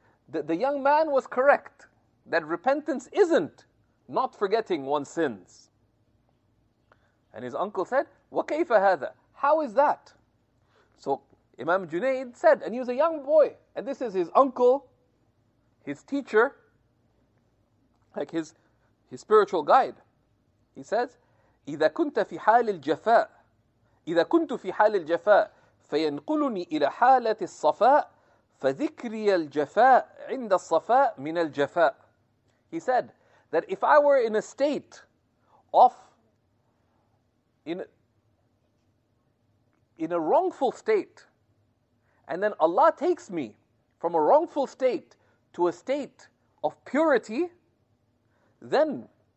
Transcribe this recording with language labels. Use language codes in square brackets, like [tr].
[en] The young man was correct that repentance isn't not forgetting one's sins. And his uncle said, [ar] وَكَيْفَ هَذَا? [en] How is that? So Imam Junaid said, and he was a young boy, and this is his uncle, his teacher, like his spiritual guide. [ar] He says, إذا كنت في حال الجفاء إذا كنت في حال الجفاء فينقلني إلى حالة الصفاء فذكري الجفاء عند الصفاء من الجفاء. [en] He said that if I were in a state of in a wrongful state, and then Allah takes me from a wrongful state to a state of purity, then